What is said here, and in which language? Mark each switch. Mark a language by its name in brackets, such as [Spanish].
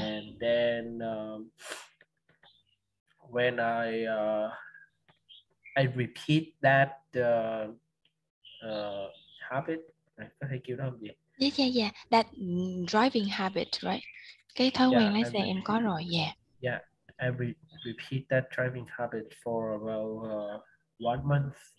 [English] And then when I repeat that habit, I give up. Yeah. That driving habit, right? [Vietnamese] Cái thói quen lái xe em có rồi, yeah. [English] Yeah, I repeat that driving habit for about 1 month.